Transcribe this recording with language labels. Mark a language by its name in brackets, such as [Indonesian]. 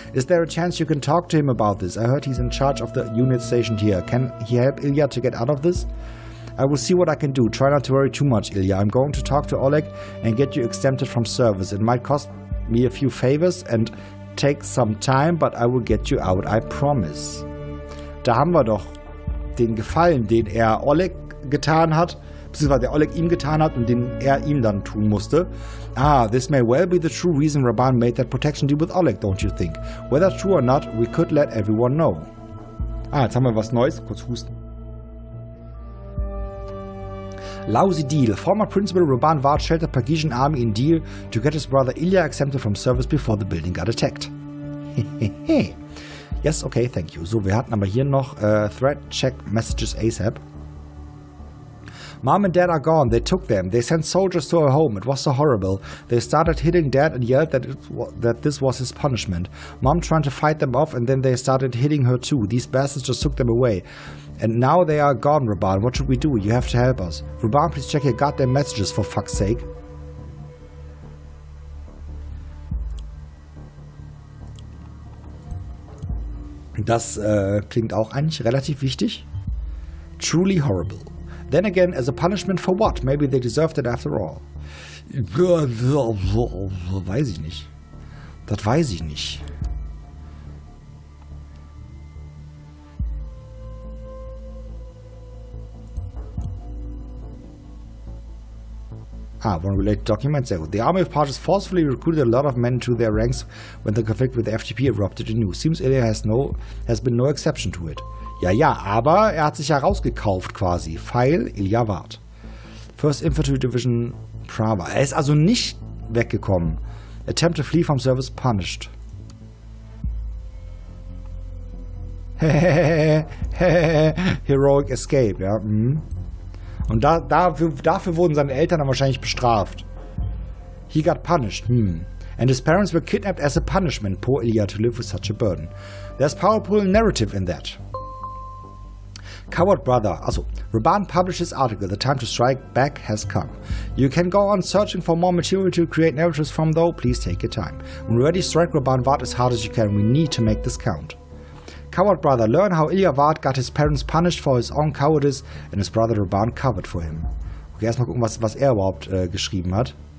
[English] Is there a chance you can talk to him about this? I heard he's in charge of the unit stationed here. Can he help Ilya to get out of this? I will see what I can do. Try not to worry too much, Ilya. I'm going to talk to Oleg and get you exempted from service. It might cost me a few favors and take some time, but I will get you out, I promise. [German] Da haben wir doch den Gefallen, den er Oleg getan hat, beziehungsweise der Oleg ihm getan hat und den er ihm dann tun musste. [English] Ah, this may well be the true reason Raban made that protection deal with Oleg, don't you think? Whether true or not, we could let everyone know. [German] Ah, jetzt haben wir was Neues, kurz husten. [English] Lousy deal. Former principal Raban Ward sheltered Pagesian army in deal to get his brother Ilya exempted from service before the building got attacked. Yes, okay, thank you. [German] So, wir hatten aber hier noch [English] threat check messages ASAP. Mom and Dad are gone. They took them. They sent soldiers to our home. It was so horrible. They started hitting Dad and yelled that this was his punishment. Mom trying to fight them off and then they started hitting her too. These bastards just took them away. And now they are gone, Raban. What should we do? You have to help us. Raban, please check your goddamn messages, for fuck's sake. [German] Das klingt auch eigentlich relativ wichtig. [English] Truly horrible. Then again, as a punishment for what? Maybe they deserved it after all. [German] Weiß ich nicht. Das weiß ich nicht. [English] Ah, one related document. So, the army of Pashas forcefully recruited a lot of men to their ranks when the conflict with the FTP erupted anew. Seems Ilya has been no exception to it. [German] Ja, ja, aber er hat sich ja rausgekauft quasi. [English] Feil Ilya Ward. First Infantry Division Prava. [German] Er ist also nicht weggekommen. [English] Attempt to flee from service punished. Heroic escape, [German] ja. Mm. Und dafür wurden seine Eltern dann wahrscheinlich bestraft. [English] He got punished. Hmm. And his parents were kidnapped as a punishment. Poor Ilya to live with such a burden. There's powerful narrative in that. Coward brother. Also, Raban published this article. The time to strike back has come. You can go on searching for more material to create narratives from, though. Please take your time. When ready, strike Raban Vard as hard as you can. We need to make this count. Coward brother. Learn how Ilya Vard got his parents punished for his own cowardice and his brother Raban covered for him. [German] Okay, erstmal gucken, was er überhaupt geschrieben hat.